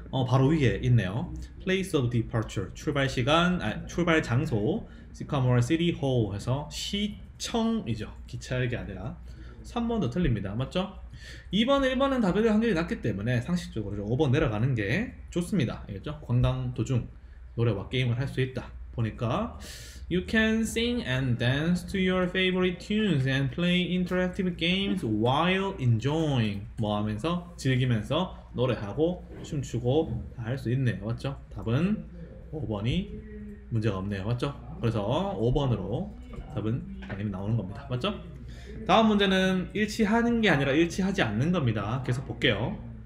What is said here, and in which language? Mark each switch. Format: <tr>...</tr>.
<ko>바로 위에 있네요. Place of Departure, 출발 시간, 출발 장소, 시카고 City Hall 해서 시청이죠. 기차역이 아니라. 3번도 틀립니다. 맞죠? 2번, 1번은 답이 될 확률이 낮기 때문에 상식적으로 5번 내려가는 게 좋습니다. 알겠죠?</ko> <en>관광 도중 노래와 게임을 할수 있다 보니까 You can sing and dance to your favorite tunes and play interactive games while enjoying.</en> <ko>뭐 하면서? 즐기면서 노래하고 춤추고 다할수 있네요. 맞죠? 답은 5번이 문제가 없네요. 맞죠? 그래서 5번으로 답은 당연히 나오는 겁니다. 맞죠? 다음 문제는 일치하는 게 아니라 일치하지 않는 겁니다. 계속 볼게요.</ko>